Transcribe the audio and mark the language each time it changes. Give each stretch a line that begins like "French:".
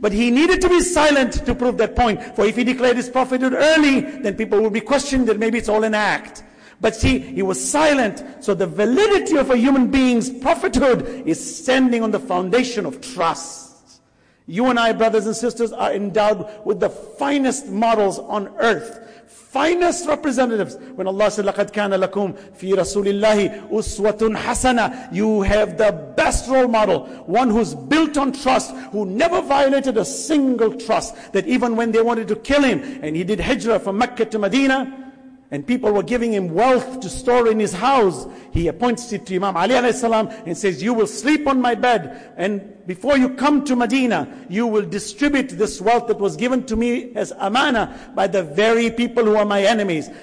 English: But he needed to be silent to prove that point. For if he declared his prophethood early, then people would be questioning that maybe it's all an act. But see, he was silent. So the validity of a human being's prophethood is standing on the foundation of trust. You and I, brothers and sisters, are endowed with the finest models on earth. Finest representatives. When Allah said,
Arabic: لَقَدْ كَانَ لَكُمْ فِي رَسُولِ اللَّهِ أُسْوَةٌ حَسَنَةٌ.
English: You have the best role model. One who's built on trust. Who never violated a single trust. That even when they wanted to kill him, and he did hijrah from Mecca to Medina, and people were giving him wealth to store in his house, he appoints it to Imam Ali alayhi salam and says, you will sleep on my bed, and before you come to Medina, you will distribute this wealth that was given to me as amana by the very people who are my enemies.